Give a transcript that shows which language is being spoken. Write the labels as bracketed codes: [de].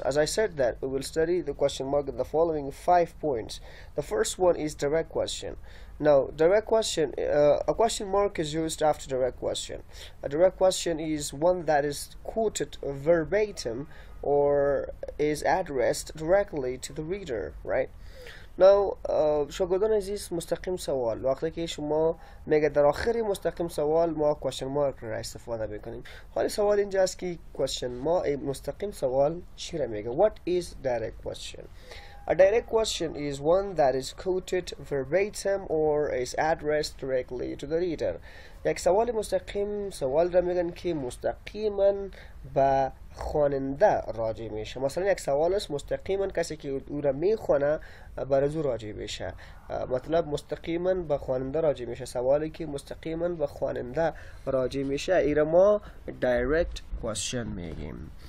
[en] As I said that we will study the question mark in the following 5 points. The first one is direct question. Now direct question, a question mark is used after direct question. A direct question is one that is quoted verbatim or is addressed directly to the reader, right? [fa] Now شاگردان عزیز، مستقیم سوال، وقتی که شما میگه در آخر مستقیم سوال ما question mark را استفاده میکنیم. حالی سوال اینجا است که question ما مستقیم سوال چی را میگه؟ [en] What is direct question? A direct question is one that is quoted verbatim or is addressed directly to the reader. [fa] یک سوال مستقیم سوال را میگن که مستقیما به خواننده راجع میشه. مثلا یک سوال است مستقیما کسی که او را میخونه بر او راجع میشه، مطلب مستقیما به خواننده راجع میشه. سوالی که مستقیما به خواننده راجع میشه ای را ما direct question میگیم.